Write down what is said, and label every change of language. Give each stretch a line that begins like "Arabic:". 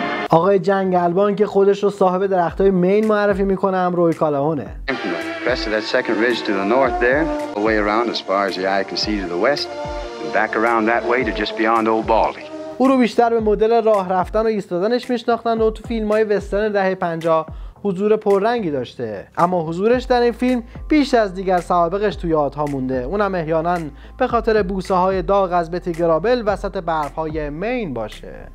Persian: آقای جنگلبان که خودش رو صاحب درخت‌های مین معرفی میکنه هم روی کالهونه.
English: Crest of that second ridge to the north there, all the way around as far as the eye can see to the west, and back around that way to just beyond Old Baldy.
Persian: او رو بیشتر به مدل راه رفتن و ایستادنش میشناختن و تو فیلم‌های وسترن دهه 50 حضور پررنگی داشته. اما حضورش در این فیلم بیش از دیگر سابقش توی یادها مونده. اونم احیاناً به خاطر بوسه‌های داغ از بتی گرابل وسط برف‌های مین باشه.